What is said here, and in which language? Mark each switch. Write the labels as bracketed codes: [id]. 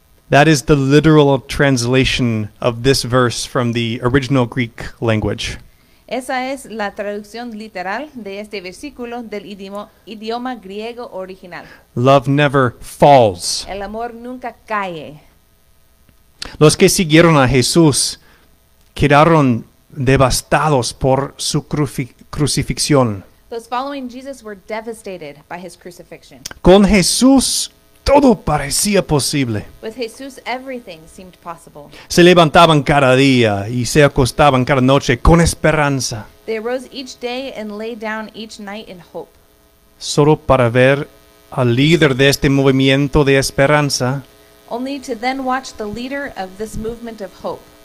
[en] That is the literal translation of this verse from the original Greek language. [es] Esa es la traducción literal de este versículo del idioma griego original. [en] Love never falls. [es] El amor nunca cae. Los que siguieron a Jesús quedaron devastados por su crucifixión. [en] Those following Jesus were devastated by his crucifixion. [es] Con Jesús todo parecía posible. [en] With Jesus, everything seemed possible. [es] Se levantaban cada día y se acostaban cada noche con esperanza. [en] They arose each day and lay down each night in hope. [es] Solo para ver al líder de este movimiento de esperanza. [en] Only to then watch the leader of this movement of hope.